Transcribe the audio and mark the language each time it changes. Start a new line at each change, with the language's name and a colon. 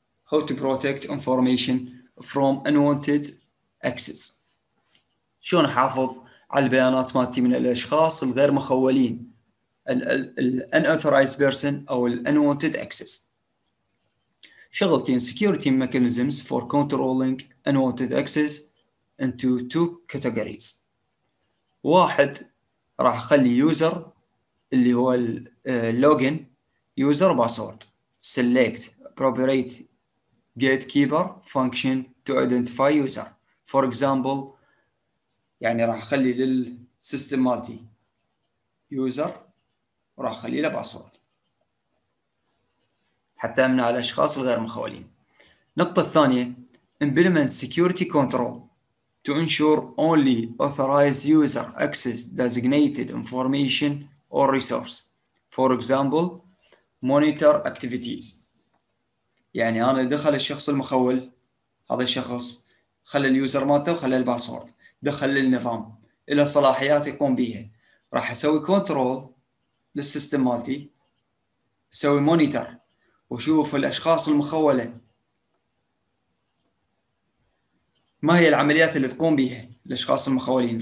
English: how to protect information from unwanted access.
Arabic: شلون احافظ على البيانات مالتي من الاشخاص الغير مخولين، ال
English: unauthorized person
Arabic: او ال
English: unwanted access.
Arabic: شغلتين
English: security mechanisms for controlling unwanted access into two categories.
Arabic: واحد راح اخلي
English: user
Arabic: اللي هو
English: اللوجن user password, select appropriate gatekeeper function to identify user. For example،
Arabic: يعني راح اخلي للسيستم مالتي يوزر وراح اخلي له باسورد حتى امنع الاشخاص الغير مخولين. النقطة الثانية،
English: implement security control to ensure only authorized user access designated information or resource. For example، monitor activities.
Arabic: يعني انا دخل الشخص المخول، هذا الشخص خلى اليوزر مالته وخلى الباسورد، دخل للنظام الى صلاحيات يقوم بها، راح اسوي كنترول للسيستم مالتي، اسوي مونيتر واشوف الاشخاص المخوله ما هي العمليات اللي تقوم بها الاشخاص المخولين.